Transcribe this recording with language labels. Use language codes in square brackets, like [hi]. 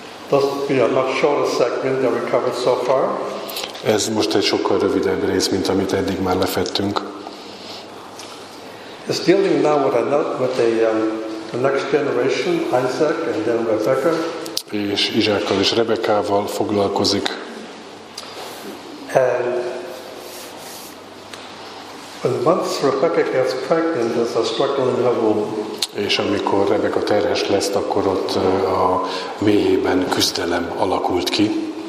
[en] This be a much shorter segment that we covered so far. [hu] Ez most egy sokkal rövidebb rész, mint amit eddig már lefettünk. [en] It's dealing now with the next generation, Isaac and then Rebecca. [hu] És Izsákkal és Rebekával foglalkozik. [en] And once Rebecca gets pregnant, there's a struggle in her womb. [hu] És amikor Rebecca terhes lesz, akkor ott a méhében küzdelem alakult ki.